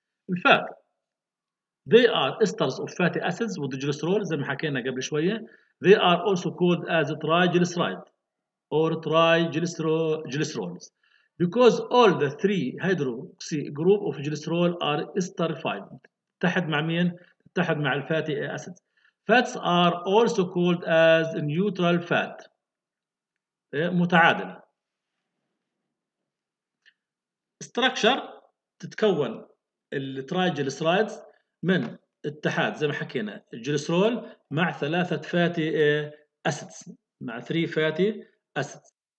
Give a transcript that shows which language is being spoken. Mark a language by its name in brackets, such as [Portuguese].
[English] الفات they are esters of fatty acids with glycerol [Arabic] زي ما حكينا قبل شوية. [English] They are also called as triglyceride or triglycerols because all the three hydroxy group of glycerol are esterified. [Arabic] تحد مع مين؟ تحد مع الفاتي أسيد. [English] Fats are also called as neutral fat. [Arabic] متعادلة. Structure تتكون الترايجلسرايدز من اتحاد زي ما حكينا الجلسرول مع ثلاثة فاتي أسيدز، مع 3 فاتي أسيدز.